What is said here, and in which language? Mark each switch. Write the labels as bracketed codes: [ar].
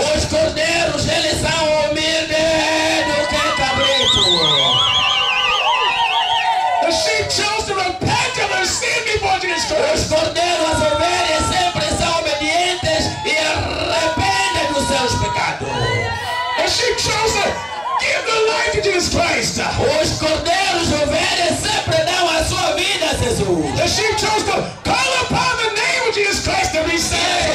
[pt] Os cordeiros, eles são humildes do que cabrito. [en] The sheep chose to repent of their sin before Jesus Christ. [pt] Os cordeiros, ovelhas, sempre são obedientes e arrependem dos seus pecados. [en] The sheep chose to give their life to Jesus Christ. [pt] Os cordeiros, ovelhas, sempre dão a sua vida a Jesus. [en] The sheep chose to call upon the name of Jesus Christ to be saved.